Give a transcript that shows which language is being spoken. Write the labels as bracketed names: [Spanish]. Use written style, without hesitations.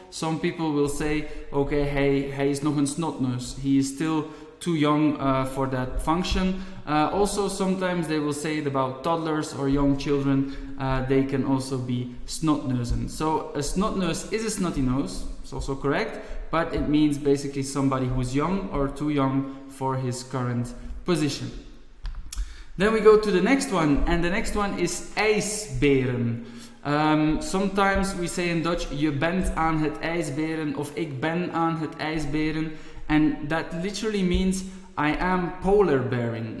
[English] Some people will say, okay, hey, [Dutch] hij is nog een snotneus. [English] He is still too young for that function. Also, sometimes they will say it about toddlers or young children. They can also be snotneusen. So a snotneus is a snotty nose. It's also correct, but it means basically somebody who's young or too young for his current position. Then we go to the next one, and the next one is ijsberen. Sometimes we say in Dutch, [Dutch] je bent aan het ijsberen, [English] of ik ben aan het ijsberen, and that literally means I am polar bearing.